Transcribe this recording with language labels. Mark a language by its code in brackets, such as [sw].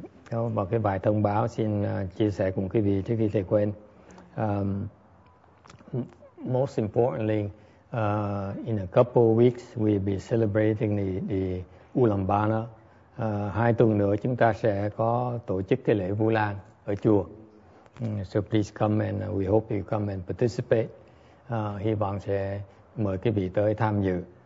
[vi] Có một cái vài thông báo xin chia sẻ cùng quý vị trước khi thầy quên. [en] Most importantly, in a couple of weeks, we'll be celebrating the Ulambana. [vi] Hai tuần nữa chúng ta sẽ có tổ chức cái lễ Vu Lan ở chùa. [en] So please come and we hope you come and participate. [vi] Hy vọng sẽ mời quý vị tới tham dự.